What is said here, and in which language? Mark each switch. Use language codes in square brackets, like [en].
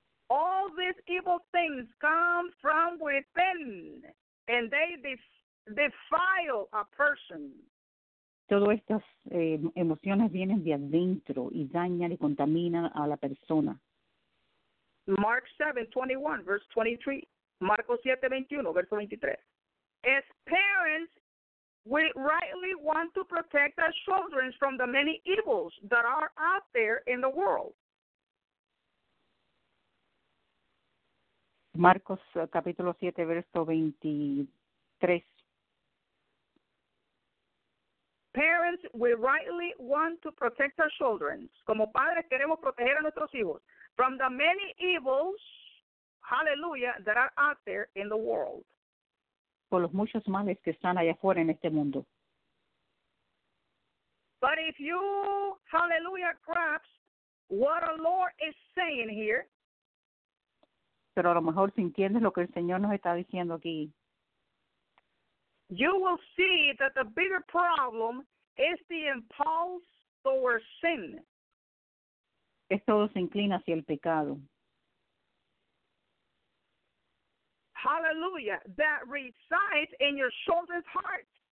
[en] All these evil things come from within, and they defile a person. [es] Todas estas emociones vienen de adentro y dañan y contaminan a la persona. [en] Mark 7:21, verse 23. Marcos 7:21, verse 23. As parents, we rightly want to protect our children from the many evils that are out there in the world. [es] Marcos 7:23. [en] Parents, we rightly want to protect our children. [es] Como padres, queremos proteger a nuestros hijos [en] from the many evils, hallelujah, that are out there in the world. [es] Por los muchos males que están allá afuera en este mundo. [en] But if you, hallelujah, grasp what the Lord is saying here. [es] Pero a lo mejor si entiendes lo que el Señor nos está diciendo aquí. [en] You will see that the bigger problem is the impulse towards sin. [es] Es todo se inclina hacia el pecado. [en] Hallelujah. That resides in your children's hearts.